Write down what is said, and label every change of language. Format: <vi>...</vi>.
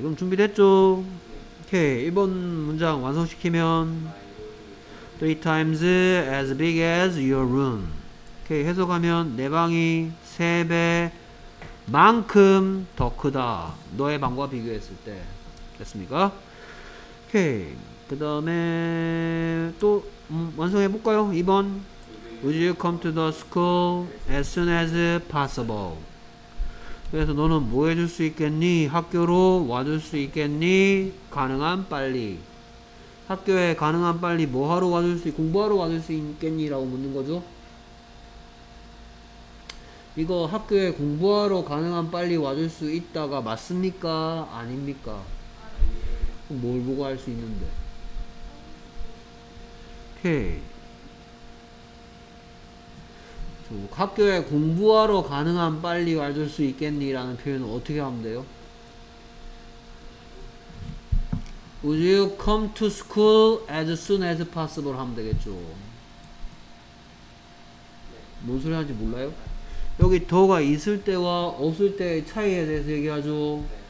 <ko>그럼 준비됐죠? 오케이. 이번 문장 완성시키면</ko> <en>three times as big as your room.</en> <ko>오케이. 해석하면 내 방이 세 배만큼 더 크다. 너의 방과 비교했을 때. 됐습니까? 오케이. 그 다음에 또 완성해 볼까요?</ko> <en>2번 Would you come to the school as soon as possible?</en> <ko>그래서 너는 뭐 해줄 수 있겠니? 학교로 와줄 수 있겠니? 가능한 빨리. 학교에 가능한 빨리 뭐 하러 와줄 수 공부하러 와줄 수 있겠니? 라고 묻는 거죠. 이거 학교에 공부하러 가능한 빨리 와줄 수 있다가 맞습니까? 아닙니까? 뭘 보고 할 수 있는데. 오케이. 학교에 공부하러 가능한 빨리 와줄 수 있겠니? 라는 표현은 어떻게 하면 돼요?</ko> <en>Would you come to school as soon as possible?</en> <ko>하면 되겠죠. 뭔 소리 하는지 몰라요? 여기 더가 있을 때와 없을 때의 차이에 대해서 얘기하죠.</ko>